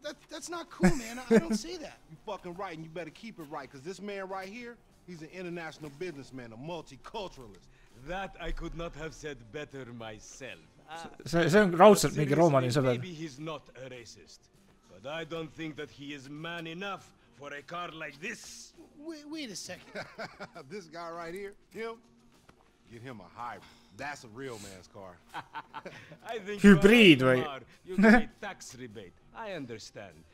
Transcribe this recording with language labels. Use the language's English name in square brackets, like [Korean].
[English] That's not cool, man. I don't say that. You fucking right and you better keep it right, because this man right here, he's an international businessman, a multiculturalist. That I could not have said better myself. [Estonian] See on raudselt mingi roomani sõber. [English] Maybe he's not a racist. I don't think that he is man enough for a car like this. Wait a second. This guy right here, him? Get him a hybrid. That's a real man's car. I think hybrid, right? You get a tax rebate. I understand.